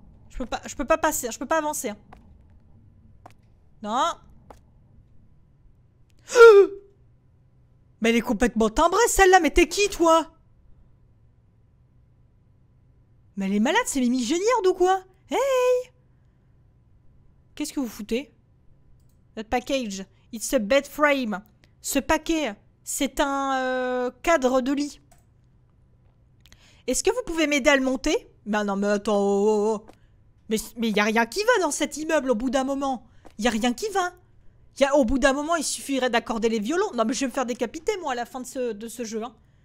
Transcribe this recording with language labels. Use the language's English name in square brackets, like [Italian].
[French] Je peux pas passer, je peux pas avancer. Non. Mais elle est complètement timbrée celle-là, mais t'es qui toi? Mais elle est malade, c'est Mimi Génière ou quoi? Hey! Qu'est-ce que vous foutez? [English] That package, it's a bed frame. [French] Ce paquet, c'est un cadre de lit. Est-ce que vous pouvez m'aider à le monter? Mais non, mais attends, oh. Mais y'a rien qui va dans cet immeuble au bout d'un moment. Y'a rien qui va. Au bout d'un moment, il suffirait d'accorder les violons. Non, mais je vais me faire décapiter, moi, à la fin de ce jeu. Hein.